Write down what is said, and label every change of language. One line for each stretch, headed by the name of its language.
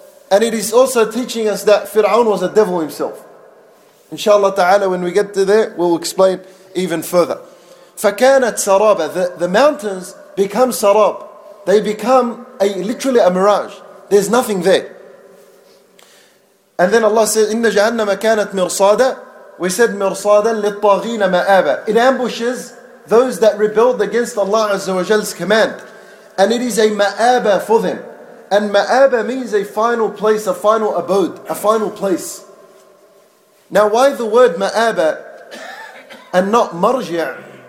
English: And it is also teaching us that Fir'aun was a devil himself. Inshallah ta'ala, when we get to there, we'll explain even further.
Arabic: فَكَانَتْ سَرَابًا.
English: The mountains become sarab. They become literally a mirage. There's nothing there. And then Allah says,
Arabic: إِنَّ جَهَنَّمَ كَانَتْ مِرْصَادًا.
English: We said,
Arabic: مِرْصَادًا لِلطَّاغِينَ مَآبًا.
English: It ambushes those that rebelled against Allah Azza wa Jal's command. And it is a ma'aba for them. And ma'aba means a final place, a final abode, a final place. Now why the word ma'aba and not marji'?